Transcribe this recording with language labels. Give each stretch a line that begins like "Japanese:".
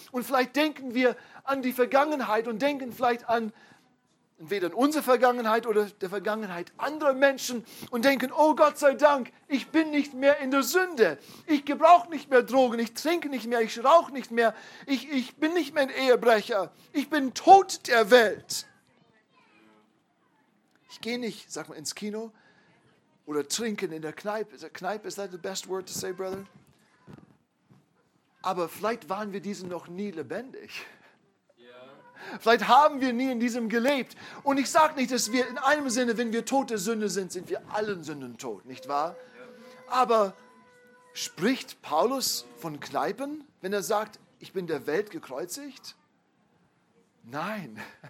German: Und vielleicht denken wir an die Vergangenheit und denken vielleicht an entweder unsere Vergangenheit oder der Vergangenheit anderer Menschen und denken, oh Gott sei Dank, ich bin nicht mehr in der Sünde. Ich gebrauche nicht mehr Drogen, ich trinke nicht mehr, ich rauche nicht mehr. Ich bin nicht mehr ein Ehebrecher. Ich bin tot der Welt. Ich gehe nicht, sag mal, ins Kino oder trinken in der Kneipe.
English: Is that Kneipe, is that the best word to say, brother?
German: Aber vielleicht waren wir diesen noch nie lebendig. Vielleicht haben wir nie in diesem gelebt. Und ich sage nicht, dass wir in einem Sinne, wenn wir tot der Sünde sind, sind wir allen Sünden tot, nicht wahr? Aber spricht Paulus von Kneipen, wenn er sagt, ich bin der Welt gekreuzigt? Nein.